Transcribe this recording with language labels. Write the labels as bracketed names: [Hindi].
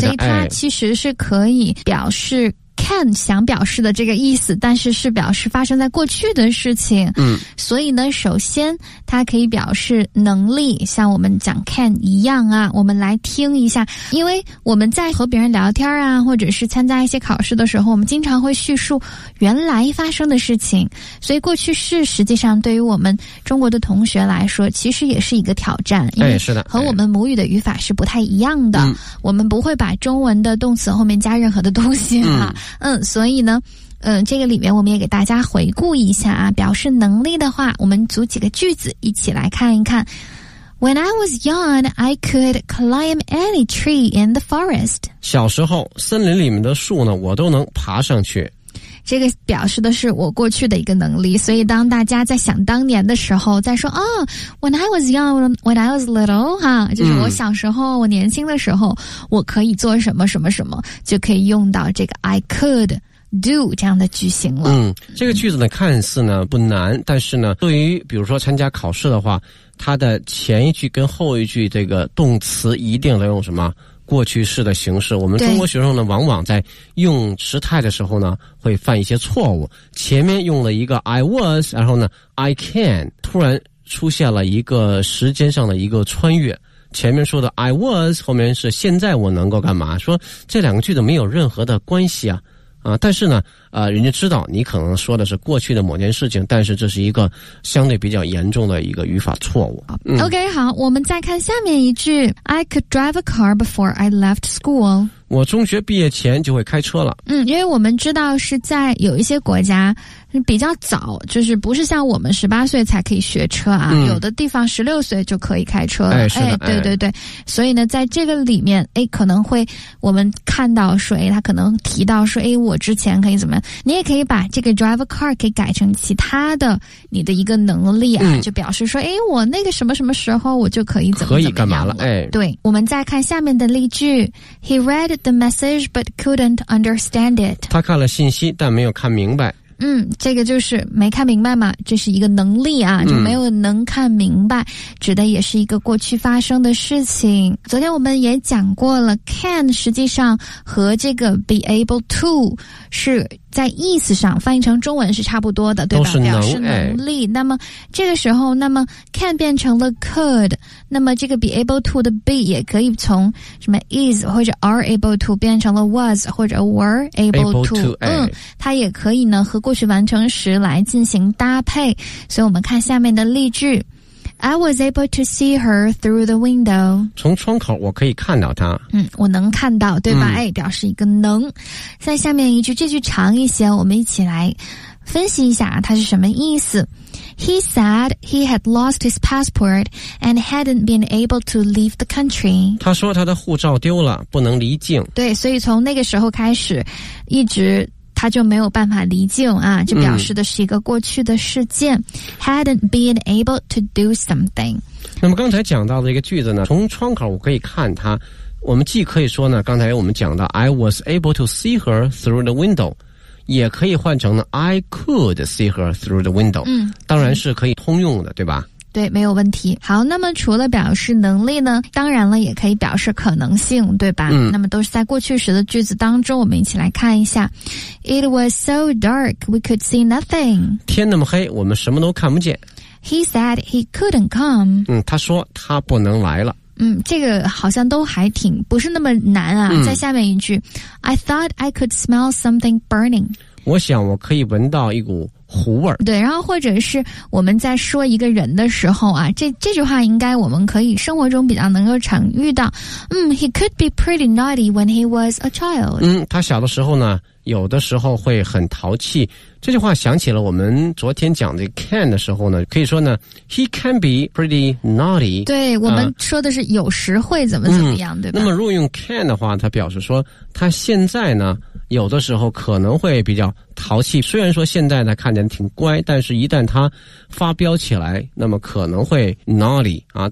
[Chinese] 所以它其实是可以表示can 想表示的这个意思但是是表示发生在过去的事情所以呢首先它可以表示能力像我们讲 can 一样啊我们来听一下因为我们在和别人聊天啊或者是参加一些考试的时候我们经常会叙述原来发生的事情所以过去式实际上对于我们中国的同学来说其实也是一个挑战因为和我们母语的语法是不太一样的我们不会把中文的动词后面加任何的东西啊所以呢这个里面我们也给大家回顾一下啊，表示能力的话，我们组几个句子一起来看一看。 [English] When I was young, I could climb any tree in the forest. [Chinese] 小时候，森林里面的树呢，我都能爬上去。这个表示的是我过去的一个能力，所以当大家在想当年的时候，在说哦 ， When I was young, when I was little, 哈，就是我小时候，我年轻的时候，我可以做什么什么什么，就可以用到这个 I could do 这样的句型了。嗯，这个句子呢，看似呢不难，但是呢，对于比如说参加考试的话，它的前一句跟后一句这个动词一定得用什么？过去式的形式，我们中国学生呢往往在用时态的时候呢会犯一些错误，前面用了一个 I was， 然后呢 I can， 突然出现了一个时间上的一个穿越，前面说的 I was， 后面是现在我能够干嘛，说这两个句子没有任何的关系啊。但是呢人家知道你可能说的是过去的某件事情，但是这是一个相对比较严重的一个语法错误。嗯、OK， 好，我们再看下面一句。 [English] I could drive a car before I left school. [Chinese] 我中学毕业前就会开车了。嗯，因为我们知道是在有一些国家比较早，就是不是像我们18岁才可以学车啊、嗯、有的地方16岁就可以开车了。哎，是的，哎，对对对。哎、所以呢在这个里面，哎，可能会我们看到说，哎，他可能提到说，哎，我之前可以怎么，你也可以把这个 drive a car 可以改成其他的你的一个能力啊、嗯、就表示说，哎，我那个什么什么时候我就可以怎么样，可以干嘛了。哎，对，我们再看下面的例句。 [English] He read the message but couldn't understand it. [Chinese] 他看了信息但没有看明白。嗯，这个就是没看明白嘛，这是一个能力啊，就没有能看明白、嗯、指的也是一个过去发生的事情。昨天我们也讲过了， can 实际上和这个 be able to 是在意思上翻译成中文是差不多的，对吧？都是表示能力、哎、那么这个时候，那么 can 变成了 could， 那么这个 be able to 的 be 也可以从什么 is 或者 are able to 变成了 was 或者 were [English] able to、哎、 [Chinese] 嗯，它也可以呢和过去完成时来进行搭配。所以我们看下面的例句。 [English] I was able to see her through the window. [Chinese] 从窗口我可以看到她。嗯，我能看到，对吧、嗯、哎，表示一个能。再下面一句，这句长一些，我们一起来分析一下它是什么意思。 [English] He said he had lost his passport and hadn't been able to leave the country. [Chinese] 他说他的护照丢了，不能离境。对，所以从那个时候开始一直他就没有办法离境啊，就表示的是一个过去的事件、嗯、 [English] hadn't been able to do something。 [Chinese] 那么刚才讲到的一个句子呢，从窗口我可以看他，我们既可以说呢，刚才我们讲到 I was able to see her through the window，也可以换成呢 I could see her through the window、嗯、当然是可以通用的，对吧？对，没有问题。好，那么除了表示能力呢，当然了也可以表示可能性，对吧、嗯、那么都是在过去时的句子当中，我们一起来看一下。 [English] It was so dark we could see nothing. [Chinese] 天那么黑我们什么都看不见。 [English] He said he couldn't come. [Chinese] 嗯，他说他不能来了。嗯，这个好像都还挺不是那么难啊、嗯、 [English] 在下面一句。 I thought I could smell something burning. [Chinese] 我想我可以闻到一股糊味儿。对，然后或者是我们在说一个人的时候啊，这句话应该我们可以生活中比较能够常遇到。 [English] 嗯， he could be pretty naughty when he was a child. [Chinese] 嗯，他小的时候呢有的时候会很淘气。这句话想起了我们昨天讲的 can 的时候呢，可以说呢 he can be pretty naughty。对，我们说的是有时会怎么怎么样、嗯、对吧。那么如果用 can 的话，他表示说他现在呢有的时候可能会比较淘气，虽然说现在呢看起来挺乖，但是一旦他发飙起来，那么可能会 naughty 啊。